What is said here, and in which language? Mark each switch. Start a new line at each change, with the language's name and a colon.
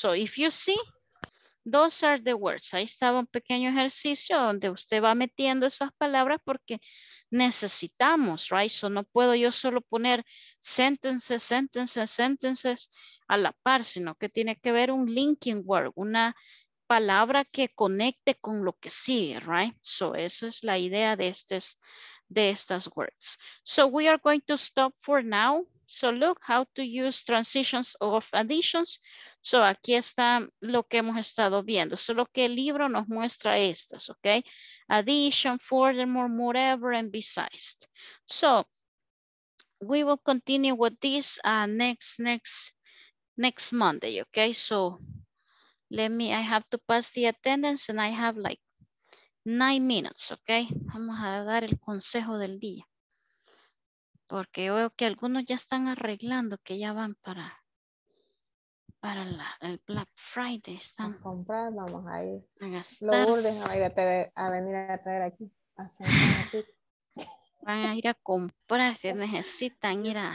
English: So, if you see, those are the words.
Spanish: Ahí estaba un pequeño ejercicio donde usted va metiendo esas palabras porque necesitamos, right? So, no puedo yo solo poner sentences a la par, sino que tiene que ver un linking word, una palabra que conecte con lo que sigue, right? So, esa es la idea de estas words.
English: So, we are going to stop for now. So, look how to use transitions of additions.
Spanish: So, aquí está lo que hemos estado viendo. Solo que el libro nos muestra estas, okay?
English: Addition, furthermore, whatever, and besides. So, we will continue with this next Monday, okay? So, I have to pass the attendance and I have like 9 minutes, okay?
Spanish: Vamos a dar el consejo del día. Porque yo veo que algunos ya están arreglando, que ya van para el Black Friday. Están a comprar, vamos a ir. A gastar. A venir a traer aquí. Van a ir a comprar si necesitan ir a...